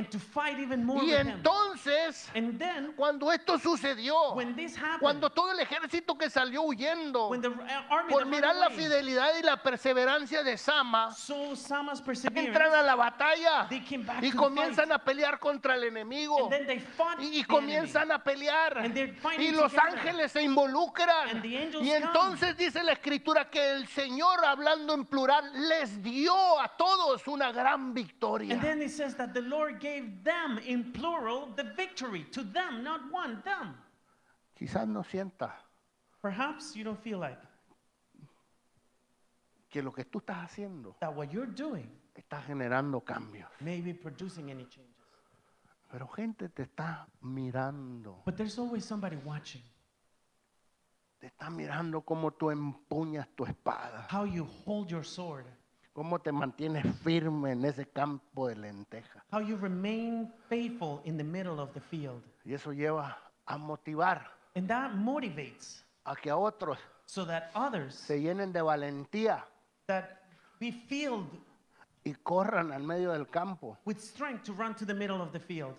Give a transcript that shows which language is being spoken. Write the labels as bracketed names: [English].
[Spanish] Y entonces, cuando esto sucedió, cuando todo el ejército que salió huyendo por mirar la fidelidad y la perseverancia de Sama, entran a la batalla y comienzan a pelear contra el enemigo y comienzan a pelear. [English] And they're fighting [Spanish] y los [English] together. [Spanish] Ángeles se involucran. [English] And the angels [Spanish] y entonces [English] come. [Spanish] Dice la escritura que el Señor, hablando en plural, les dio a todos una gran victoria. [English] And then it says that the Lord gave them in plural the victory to them, not one, them. [Spanish] Quizás no sienta. [English] Perhaps you don't feel like [Spanish] que lo que tú estás haciendo [English] that what you're doing [Spanish] está generando cambios. [English] Maybe producing any change. [Spanish] Pero gente te está mirando. [English] But there's always somebody watching. [Spanish] Te está mirando cómo tú empuñas tu espada. [English] How you hold your sword. [Spanish] Cómo te mantienes firme en ese campo de lentejas. [English] How you remain faithful in the middle of the field. [Spanish] Y eso lleva a motivar. [English] And that motivates. [Spanish] A que a otros. [English] So that others. [Spanish] Se llenen de valentía. [English] That be filled. [Spanish] Y corran al medio del campo. [English] With strength to run to the middle of the field.